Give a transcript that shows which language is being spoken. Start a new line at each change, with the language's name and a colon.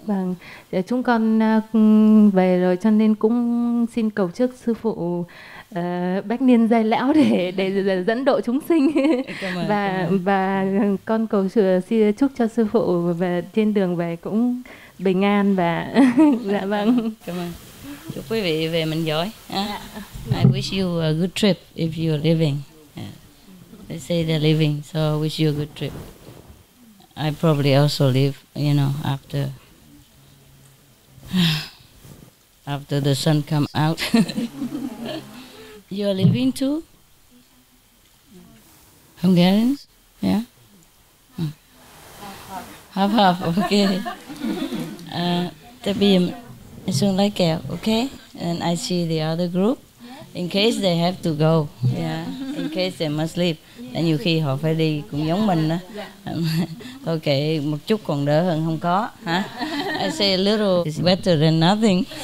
Vietnamese: Vâng, chúng con về rồi cho nên cũng xin cầu chúc sư phụ... bách niên dài lão để dẫn độ chúng sinh. Và con cầu sửa xin chúc cho sư phụ về trên đường về cũng bình an và dạ vâng. Cảm ơn. Chúc quý vị về mình giỏi.
English: I wish you a good trip if you are leaving. They say they're leaving, so I wish you a good trip. I probably also leave, you know, after the sun come out. You're leaving too? Hungarians? Yeah? Half half. Half half, okay. The BM is on like that, okay? And I see the other group. In case they have to go, yeah. In case they must leave.
Vietnamese: Tại nhiều khi họ phải đi cũng giống mình đó. Thôi kệ, một chút còn đỡ hơn không có. Huh?
English: I say a little is better than nothing.